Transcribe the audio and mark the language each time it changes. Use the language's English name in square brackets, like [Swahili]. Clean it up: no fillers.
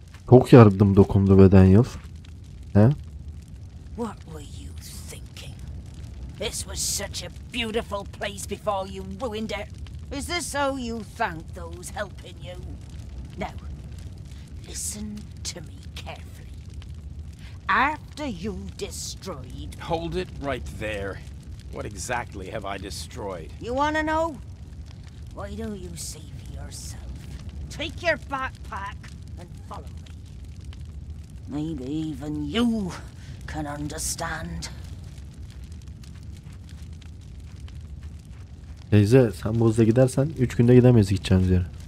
[English] Çok yardım dokundu beden yıl. He? What were you thinking? This was such a beautiful place before you ruined it. Is this how you thank those helping you? Now, listen to me carefully. After you destroyed... Hold it right there. What exactly have I destroyed? You want to know? Why don't you see for yourself? Take your backpack and follow me. Maybe even you can understand. [Turkish] Teyze, sen bu hızla gidersen 3 günde gidemeyiz gideceğimiz yere.